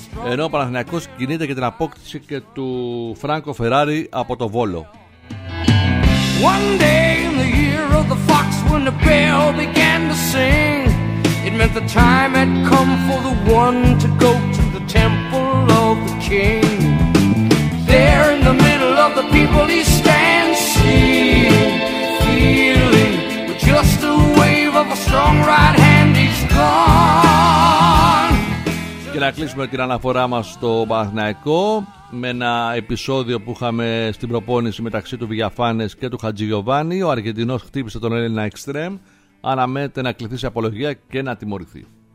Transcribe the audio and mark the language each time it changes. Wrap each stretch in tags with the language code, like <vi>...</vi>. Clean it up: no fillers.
<el>Ενώ ο Παναθηναϊκός κινείται για την απόκτηση και του Φράνκο Φεράρι από το Βόλο.</el> <en>One day in the year of the fox when the bell began to sing. It meant the time had come for the one to go to the temple of the king. There in the middle of the people he stands, seeing, feeling, with just a wave of a strong right hand he's gone.</en> <el>Και να κλείσουμε την αναφορά μας στο Παναθηναϊκό με ένα επεισόδιο που είχαμε στην προπόνηση μεταξύ του Βιαφάνες και του Χατζηγιοβάνη. Ο Αργεντινός χτύπησε τον Έλληνα εξτρέμ. Αναμένεται να κληθεί σε απολογία και να τιμωρηθεί.</el>